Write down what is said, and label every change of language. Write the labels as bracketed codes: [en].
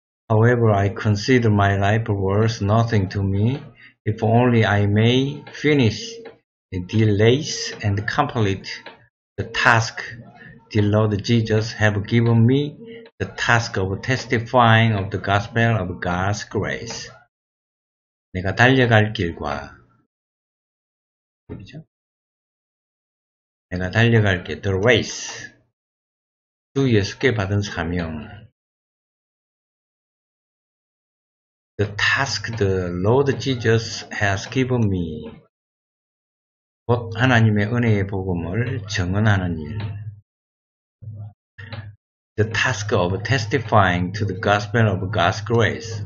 [en] However, I consider my life worth nothing to me if only I may finish the race and complete the task the Lord Jesus have given me. The task of testifying of the gospel of God's grace. [ko] 내가 달려갈 길과 그렇죠? 내가 달려갈 길, the race. 주 예수께 받은 사명. [en] The task the Lord Jesus has given me. [ko] 곧 하나님의 은혜의 복음을 증언하는 일. [en] The task of testifying to the gospel of God's grace.